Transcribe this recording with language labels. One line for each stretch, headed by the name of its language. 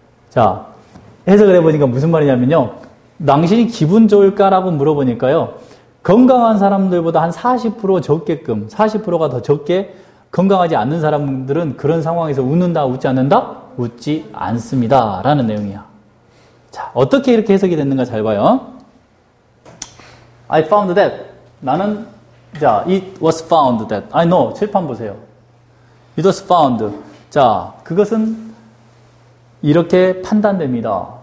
Korean: 자, 해석을 해보니까 무슨 말이냐면요. 당신이 기분 좋을까라고 물어보니까요. 건강한 사람들보다 한 40% 적게끔, 40%가 더 적게 건강하지 않는 사람들은 그런 상황에서 웃는다, 웃지 않는다? 웃지 않습니다. 라는 내용이야. 자, 어떻게 이렇게 해석이 됐는가 잘 봐요.
English: I found that 나는 자, it was found that. I know.
Korean: 칠판 보세요.
English: It was found.
Korean: 자, 그것은 이렇게 판단됩니다.